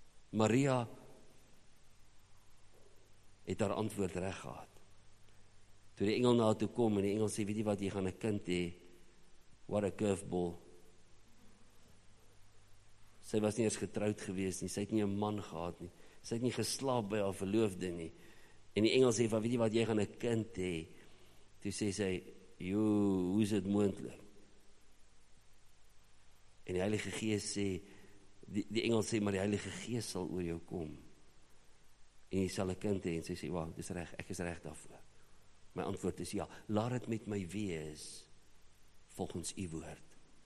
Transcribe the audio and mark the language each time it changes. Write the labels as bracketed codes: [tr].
[af] Maria het haar antwoord reg gehad. Toe die engel na haar toe kom en die engel sê, weet jy wat, jy gaan 'n kind hê. [en] What a curveball. [af] Sy was nie eens getroud gewees nie, sy het nie 'n man gehad nie. Sy het nie geslaap by haar verloofde nie. En die engel sê, van, weet jy wat, jy gaan 'n kind hê. Toe sê sy, hoe is dit moontlik? En die Heilige Gees sê, die engel sê, maar die Heilige Gees sal oor jou kom. En jy sal 'n kind hê. En sy sê, wow, dis reg, ek is reg daarvoor. My antwoord is ja, laat het met my wees, volgens u woord.